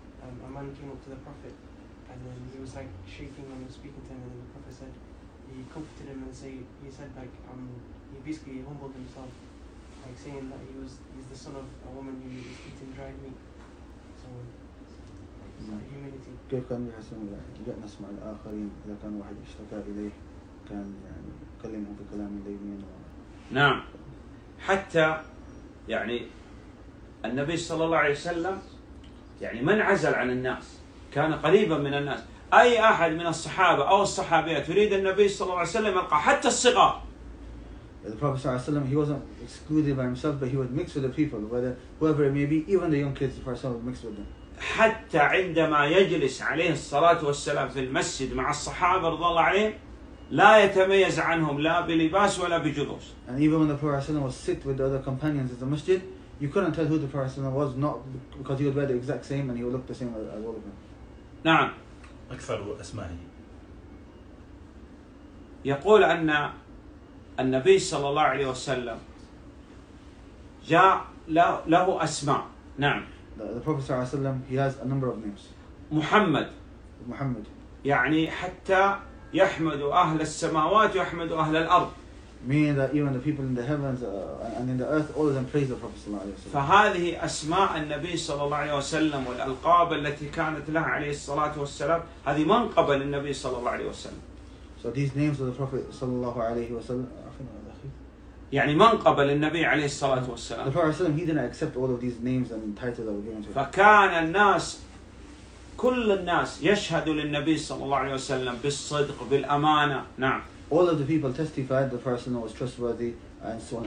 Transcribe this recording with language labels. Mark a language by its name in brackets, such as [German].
[English] A man came up to the Prophet and then he was like shaking when he was speaking to him, and then the Prophet said, he comforted him and say, he said like, he basically humbled himself, like saying that he's the son of a woman who is eating dried meat. So, humility. [Arabic] كيف كان يحسن الله؟ لا نسمع الآخرين إذا كان واحد اشتكى إليه كان يعني كلمه بكلام لينين. نعم. حتى يعني النبي صلى الله عليه وسلم يعني من عزل عن الناس كان قريبا من الناس، أي أحد من الصحابة أو الصحابيات يريد النبي صلى الله عليه وسلم يلقى حتى الصغار. [English] The Prophet صلى الله عليه وسلم he wasn't excluded by himself but he would mix with the people whether whoever it may be even the young kids the Prophet would mix with them. [Arabic] حتى عندما يجلس عليه الصلاة والسلام في المسجد مع الصحابة رضي الله عليهم لا يتميز عنهم لا بلباس ولا بجلوس. [English] And even when the Prophet صلى الله عليه وسلم was sit with the other companions in the masjid, you couldn't tell who the person was, not because he would wear the exact same and he would look the same as all of them. [Arabic] نعم. أكثر أسمائه. يقول أن النبي صلى الله عليه وسلم جاء له أسماء. نعم. [English] The Prophet صلى الله عليه وسلم he has a number of names. [Arabic] محمد. محمد. يعني حتى يحمد أهل السماوات ويحمد أهل الأرض. [English] Meaning that even the people in the heavens and in the earth, all of them praise the Prophet صلى الله عليه وسلم. [Arabic] فهذه أسماء النبي صلى الله عليه وسلم والألقاب التي كانت له عليه الصلاة والسلام هذه من قبل النبي صلى الله عليه وسلم. [English] So these names of the Prophet صلى الله عليه وسلم. [Arabic] يعني من قبل النبي عليه الصلاة والسلام. [English] The Prophet صلى الله عليه وسلم he didn't accept all of these names and titles that were given to him. [Arabic] فكان الناس كل الناس يشهد للنبي صلى الله عليه وسلم بالصدق بالأمانة. نعم. [English] All of the people testified the person was trustworthy and so on.